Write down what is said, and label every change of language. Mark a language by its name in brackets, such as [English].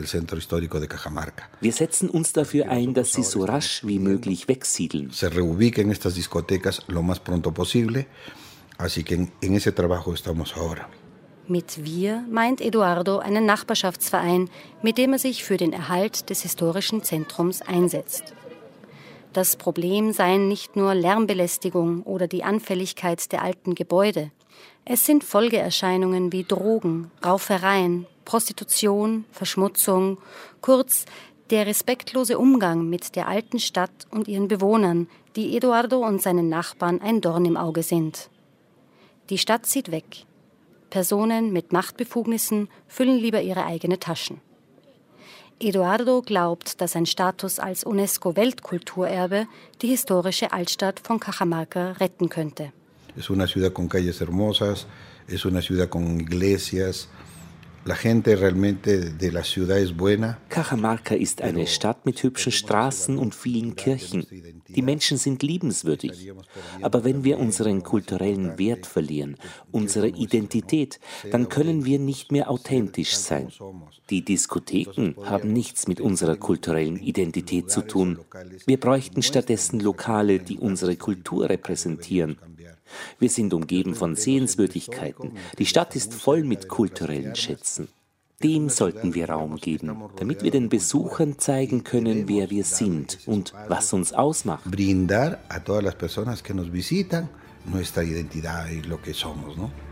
[German] Wir setzen uns dafür ein, dass sie so rasch wie möglich wegsiedeln. [Spanish] Se reubiquen estas discotecas lo más pronto posible, así que en ese trabajo estamos ahora. [German] Mit wir meint Eduardo einen Nachbarschaftsverein, mit dem er sich für den Erhalt des historischen Zentrums einsetzt. Das Problem seien nicht nur Lärmbelästigung oder die Anfälligkeit der alten Gebäude. Es sind Folgeerscheinungen wie Drogen, Raufereien, Prostitution, Verschmutzung, kurz der respektlose Umgang mit der alten Stadt und ihren Bewohnern, die Eduardo und seinen Nachbarn ein Dorn im Auge sind. Die Stadt zieht weg. Personen mit Machtbefugnissen füllen lieber ihre eigene Taschen. Eduardo glaubt, dass ein Status als UNESCO-Weltkulturerbe die historische Altstadt von Cajamarca retten könnte. [Spanish] Es una ciudad con calles hermosas, es una ciudad con iglesias. La gente realmente de la ciudad es buena. [German] Cajamarca ist eine Stadt mit hübschen Straßen und vielen Kirchen. Die Menschen sind liebenswürdig. Aber wenn wir unseren kulturellen Wert verlieren, unsere Identität, dann können wir nicht mehr authentisch sein. Die Diskotheken haben nichts mit unserer kulturellen Identität zu tun. Wir bräuchten stattdessen Lokale, die unsere Kultur repräsentieren. Wir sind umgeben von Sehenswürdigkeiten. Die Stadt ist voll mit kulturellen Schätzen. Dem sollten wir Raum geben, damit wir den Besuchern zeigen können, wer wir sind und was uns ausmacht. [Spanish] Brindar a todas las personas que nos visitan nuestra identidad y lo que somos, ¿no?